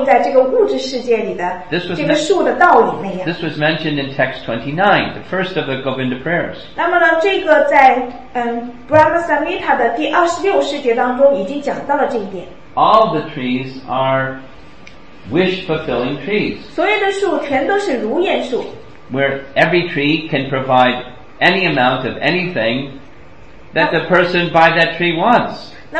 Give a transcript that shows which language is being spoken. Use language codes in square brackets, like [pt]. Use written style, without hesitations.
[zh] 那么在灵性世界里的树木不是像是倒映在这个物质世界里的这个树的倒影那样。 [en] This was mentioned in text 29, the first of the Govinda prayers. [zh] 那么呢，这个在Brahma Samhita的第26世节当中已经讲到了这一点。 [en] All the trees are wish-fulfilling trees. [zh] 所有的树全都是如愿树。 [en] Where every tree can provide any amount of anything that the person by that tree wants.